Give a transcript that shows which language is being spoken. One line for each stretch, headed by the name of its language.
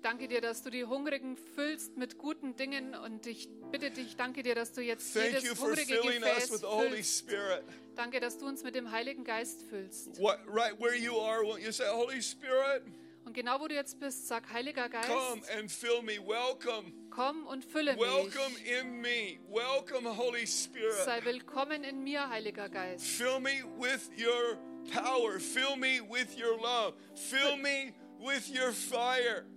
German: Ich danke dir, dass du die Hungrigen füllst mit guten Dingen und ich bitte dich, danke dir, dass du jetzt jedes hungrige Gefäß füllst.
English: With the Holy Spirit.
German: Danke, dass du uns mit dem Heiligen Geist füllst.
English: What, right where you are, won't you say, Holy Spirit?
German: Und genau wo du jetzt bist, sag Heiliger Geist.
English: Come and fill me. Welcome.
German: Komm und fülle mich.
English: Welcome in me. Welcome, Holy Spirit.
German: Sei willkommen in mir, Heiliger Geist.
English: Fill me with your power. Fill me with your love. Fill me with your fire.